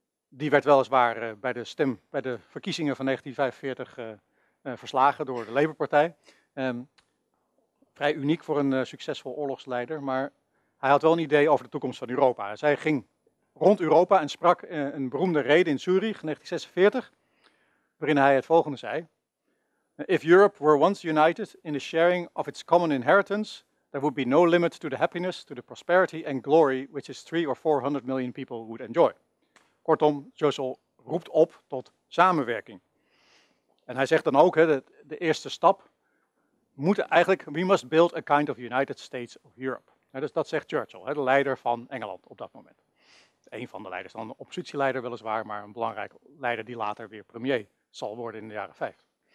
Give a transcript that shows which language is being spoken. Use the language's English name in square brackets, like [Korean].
[Dutch] Die werd weliswaar bij de verkiezingen van 1945 verslagen door de Labour-partij. Vrij uniek voor een succesvol oorlogsleider, maar hij had wel een idee over de toekomst van Europa. Zij ging rond Europa en sprak een beroemde rede in Zurich 1946, waarin hij het volgende zei. [English] If Europe were once united in the sharing of its common inheritance, there would be no limit to the happiness, to the prosperity and glory which its 300 or 400 million people would enjoy. [Dutch] Kortom, Churchill roept op tot samenwerking. En hij zegt dan ook, hè, dat de eerste stap moet eigenlijk, [English] we must build a kind of United States of Europe. [Dutch] Ja, dus dat zegt Churchill, hè, de leider van Engeland op dat moment. Een van de leiders, dan een oppositieleider weliswaar, maar een belangrijke leider die later weer premier zal worden in de jaren 50.